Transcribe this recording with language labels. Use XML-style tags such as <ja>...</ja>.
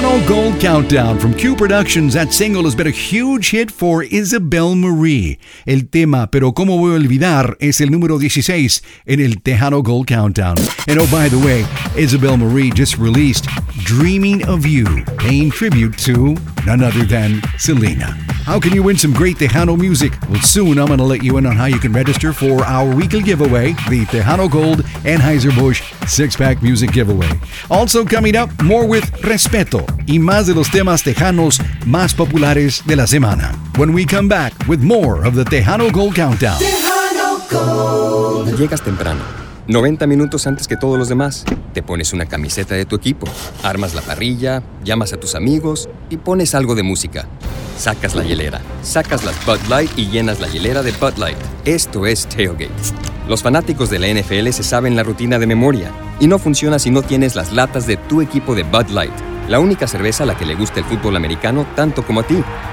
<en>Gold Countdown from Q Productions. That single has been a huge hit for Isabel Marie.</en> <es>El tema, Pero Cómo Voy a Olvidar, es el número 16 en el Tejano Gold Countdown.</es> <en>And oh, by the way, Isabel Marie just released Dreaming of You, paying tribute to none other than Selena. How can you win some great Tejano music? Well, soon I'm going to let you in on how you can register for our weekly giveaway, the Tejano Gold Anheuser-Busch six-pack music giveaway.</en> <es>Also coming up, more with Respeto y más de los temas tejanos más populares de la semana.</es> <en>When we come back with more of the Tejano Gold Countdown. Tejano Gold.</en> <es>Llegas temprano, 90 minutos antes que todos los demás. Te pones una camiseta de tu equipo, armas la parrilla, llamas a tus amigos y pones algo de música. Sacas la hielera, sacas las Bud Light y llenas la hielera de Bud Light. Esto es tailgate. Los fanáticos de la NFL se saben la rutina de memoria y no funciona si no tienes las latas de tu equipo de Bud Light, la única cerveza a la que le gusta el fútbol americano tanto como a ti.</es>